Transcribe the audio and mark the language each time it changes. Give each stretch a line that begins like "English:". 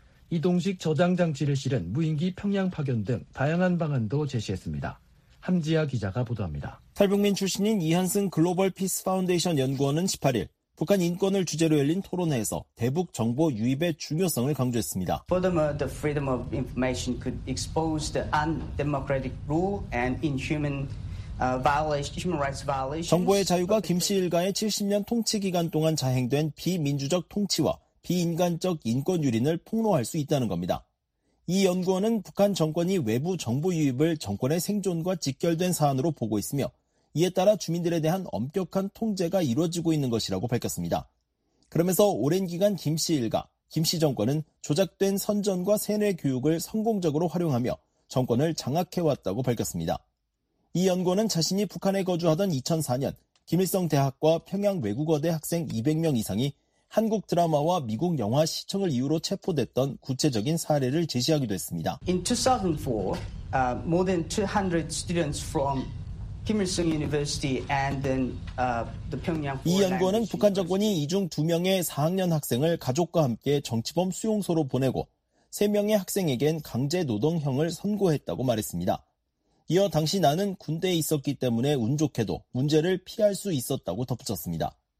Korean: 이동식 저장장치를 실은 무인기 평양 파견 등 다양한 방안도 제시했습니다. 함지아 기자가 보도합니다. 탈북민 출신인 이한승 글로벌 피스 파운데이션 연구원은 18일 북한 인권을 주제로 열린 토론회에서 대북 정보 유입의 중요성을 강조했습니다.
English: Furthermore, the freedom of information could expose the undemocratic rule and inhuman violations.
Korean: 정보의 자유가 김씨 일가의 70년 통치 기간 동안 자행된 비민주적 통치와 비인간적 인권 유린을 폭로할 수 있다는 겁니다. 이 연구원은 북한 정권이 외부 정보 유입을 정권의 생존과 직결된 사안으로 보고 있으며 이에 따라 주민들에 대한 엄격한 통제가 이루어지고 있는 것이라고 밝혔습니다. 그러면서 오랜 기간 김씨 일가, 김씨 정권은 조작된 선전과 세뇌 교육을 성공적으로 활용하며 정권을 장악해왔다고 밝혔습니다. 이 연구원은 자신이 북한에 거주하던 2004년 김일성 대학과 평양 외국어대 학생 200명 이상이 한국 드라마와 미국 영화 시청을 이유로 체포됐던 구체적인 사례를 제시하기도 했습니다.
English: In 2004, more than 200 students from Kim Il-sung University and then the Pyongyang.
Korean: 이 연구원은 북한 정권이 이 중 두 명의 4학년 학생을 가족과 함께 정치범 수용소로 보내고 세 명의 학생에겐 강제 노동형을 선고했다고 말했습니다. 이어 당시 나는 군대에 있었기 때문에 운 좋게도 문제를 피할 수 있었다고 덧붙였습니다.